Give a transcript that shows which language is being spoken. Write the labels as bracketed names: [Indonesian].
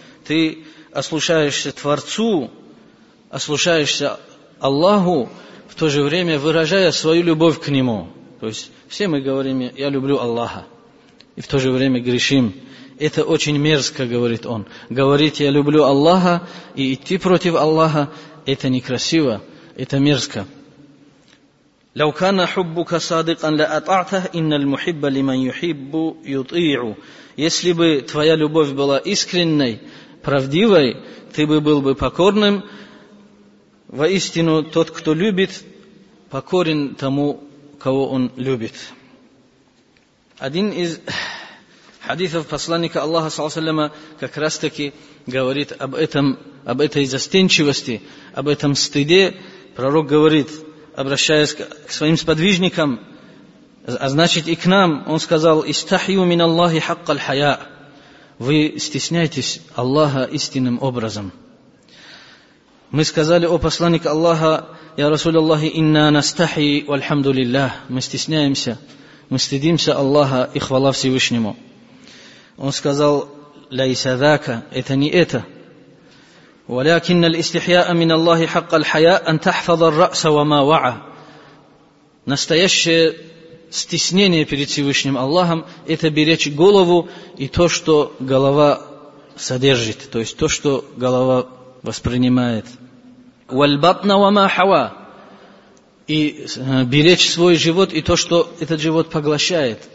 [Russian] Ты ослушаешься Творцу, ослушаешься Аллаху, в то же время выражая свою любовь к Нему. То есть все мы говорим: «Я люблю Аллаха», и в то же время грешим. Это очень мерзко, говорит он. Говорить «Я люблю Аллаха» и идти против Аллаха – это некрасиво, это мерзко. [Arabic] لو كان حبك صادقا لأطعته إن المحب لمن يحب يطيعه. [Russian] Если бы твоя любовь была искренней, правдивой, ты бы был бы покорным. Воистину, тот, кто любит, покорен тому, кого он любит. Один из хадисов посланника Аллаха саллаллаху алейхи ва саллям как раз таки говорит об этом, об этой застенчивости, об этом стыде. Пророк говорит, обращаясь к своим сподвижникам, а значит и к нам, он сказал: [Arabic] «Истахью мин Аллахи хакка л-хая». [Russian] Вы стесняетесь Аллаха истинным образом. Мы сказали: «О посланник Аллаха, [Arabic] я Расуль Аллахи, инна настахи вальхамду лиллах». [Russian] Мы стесняемся, мы стыдимся Аллаха и хвала Всевышнему. Он сказал: [Arabic] «Ляйса дака». [Russian] Это не это. [Arabic] ولكن الاستحياء من الله حق الحياء أن تحفظ الرأس وما وعى. [Russian] Настоящее стеснение перед Всевышним Аллахом – это беречь голову и то, что голова содержит, то есть то, что голова воспринимает. [Arabic] وَالْبَطْنَ وَمَا حَوَى. [Russian] И беречь свой живот и то, что этот живот поглощает.